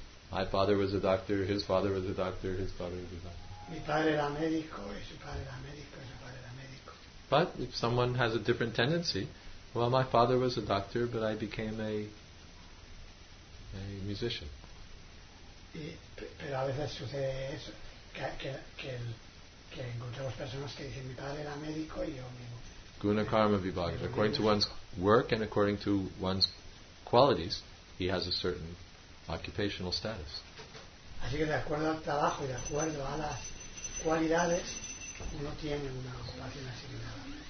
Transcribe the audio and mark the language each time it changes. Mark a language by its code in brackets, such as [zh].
[en] My father was a doctor, his father was a doctor, his father was a doctor. [es] Mi padre era médico y su padre era médico y su padre era médico. [en] But if someone has a different tendency, well, my father was a doctor, but I became a musician. [es] Pero a veces sucede eso, que encontramos personas que dicen mi padre era médico y yo mismo. [sa] Guna karma vibhaga. [en] According to one's work and according to one's qualities, he has a certain occupational status. [es] Así que de acuerdo al trabajo y de acuerdo a las cualidades, uno tiene una ocupación asignada.